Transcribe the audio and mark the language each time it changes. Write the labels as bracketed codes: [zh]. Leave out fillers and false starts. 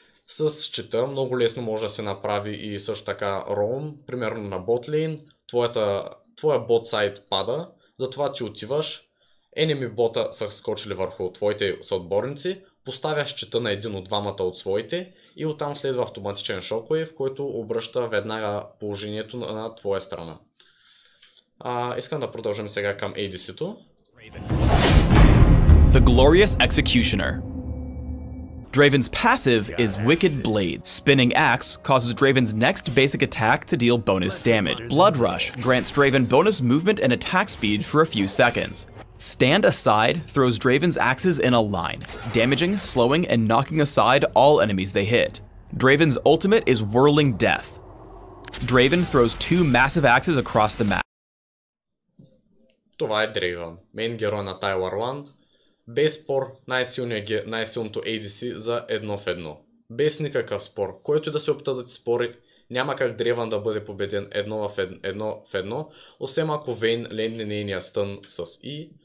[bg] С щита много лесно може да се направи и също така роум, примерно на ботлейн, твоя бот сайт пада, затова ти отиваш, enemy бота са скочили върху твоите съотборници, поставяш щита на един от двамата от своите, и оттам следва автоматичен шоквейв, който обръща веднага положението на твоя страна. Искам да продължим сега към ADC-то. [en] The Glorious Executioner. Draven's passive is Wicked Blade. Spinning Axe causes Draven's next basic attack to deal bonus damage. Blood Rush grants Draven bonus movement and attack speed for a few seconds. Stand Aside throws Draven's axes in a line, damaging, slowing, and knocking aside all enemies they hit. Draven's ultimate is Whirling Death. Draven throws two massive axes across the map. [bg] Това е Draven, мейн герой на Тай Варланд. Без спор, най-силното ADC за едно в едно. Без никакъв спор, който и да се опита да ти спори, няма как Draven да бъде победен едно в едно, освен ако Вейн лендне нейния стън с И.